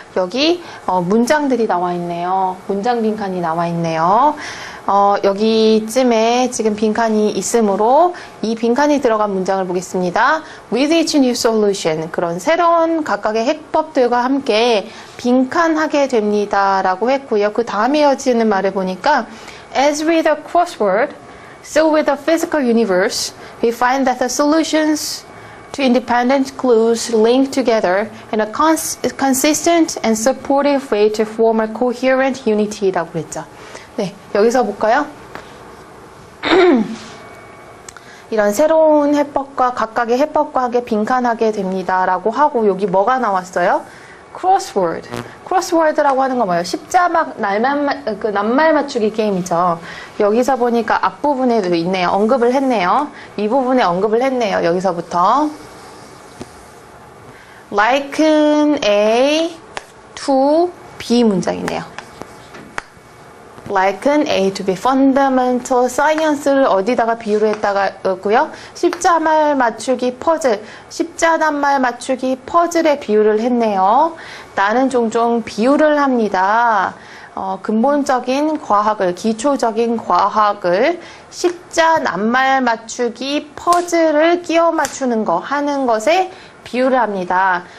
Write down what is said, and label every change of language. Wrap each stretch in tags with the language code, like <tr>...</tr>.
<ko>여기 문장들이 나와 있네요. 문장 빈칸이 나와 있네요. 여기쯤에 지금 빈칸이 있으므로 이 빈칸이 들어간 문장을 보겠습니다.</ko> <en>With each new solution,</en> <ko>그런 새로운 각각의 해법들과 함께 빈칸하게 됩니다라고 했고요.</ko> <en>그 다음에 이어지는 말을 보니까 As with a crossword, so with the physical universe, we find that the solutions to independent clues link together in a consistent and supportive way to form a coherent unity</en> <ko>라고 그랬죠. 네, 여기서 볼까요? 이런 새로운 해법과 각각의 해법과 함께 빈칸하게 됩니다라고 하고, 여기 뭐가 나왔어요? Crossword. Crossword라고 하는 거 뭐예요? 십자막 그 낱말 맞추기 게임이죠. 여기서 보니까 앞부분에도 있네요. 언급을 했네요. 이 부분에 언급을 했네요. 여기서부터.</ko> <en>Liken A to B 문장이네요. Liken A to B.</en> <ko>Fundamental science를 어디다가 비유로 했다가였고요. 십자말 맞추기 퍼즐. 십자 낱말 맞추기 퍼즐에 비유를 했네요. 나는 종종 비유를 합니다. 근본적인 과학을, 기초적인 과학을 십자 낱말 맞추기 퍼즐을 끼워 맞추는 거, 하는 것에 비유를 합니다.</ko>